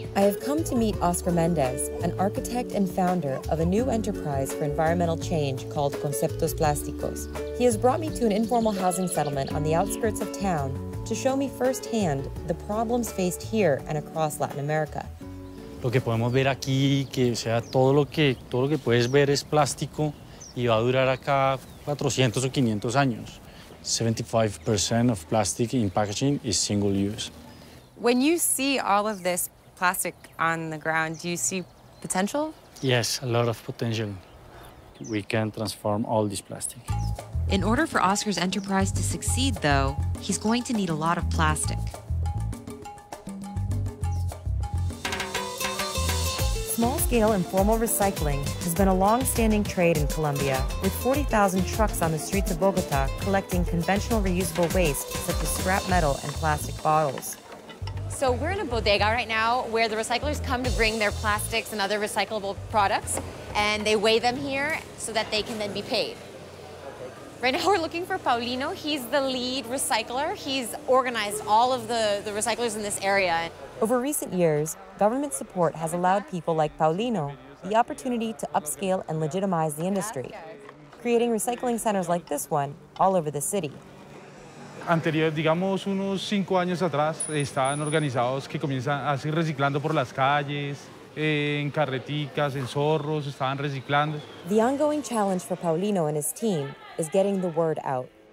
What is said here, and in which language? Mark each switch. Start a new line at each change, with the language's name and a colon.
English: I have come to meet Oscar Mendez, an architect and founder of a new enterprise for environmental change called Conceptos Plasticos. He has brought me to an informal housing settlement on the outskirts of town to show me firsthand the problems faced here and across Latin America.
Spanish: Lo que podemos ver aquí, que sea todo lo que puedes ver es plástico, y va a durar acá 400 o 500 años.
English: 75% of plastic in packaging is single use. When you see all of this plastic on the ground, do you see potential? Yes, a lot of potential. We can transform all this plastic. In order for Oscar's enterprise to succeed, though, he's going to need a lot of plastic. Small-scale informal recycling has been a long-standing trade in Colombia, with 40,000 trucks on the streets of Bogota collecting conventional reusable waste, such as scrap metal and plastic bottles. So we're in a bodega right now where the recyclers come to bring their plastics and other recyclable products, and they weigh them here so that they can then be paid. Right now we're looking for Paulino. He's the lead recycler. He's organized all of the recyclers in this area. Over recent years, government support has allowed people like Paulino the opportunity to upscale and legitimize the industry, creating recycling centers like this one all over the city.
Spanish: Anterior, digamos unos 5 años atrás, estaban organizados que comienzan a seguir reciclando por las calles, en carreticas, en zorros, estaban reciclando.
English: The ongoing challenge for Paulino and his team is getting the word out.